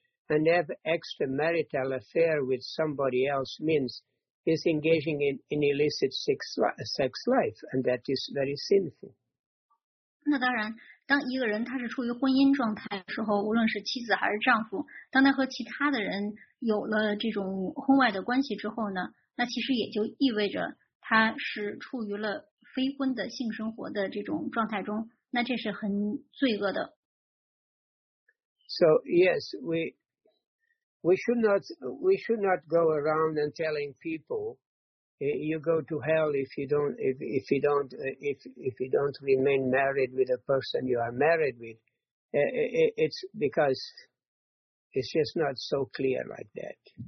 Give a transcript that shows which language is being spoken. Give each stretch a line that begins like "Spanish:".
English: And have extramarital affair with somebody else means he's engaging in illicit sex life, and that is very sinful.
Chinese: 那当然，当一个人他是处于婚姻状态的时候，无论是妻子还是丈夫，当他和其他的人有了这种婚外的关系之后呢，那其实也就意味着他是处于了非婚的性生活的这种状态中，那这是很罪恶的。
English: So yes, we should not go around and telling people you go to hell if you don't remain married with a person you are married with. It's because it's just not so clear like that.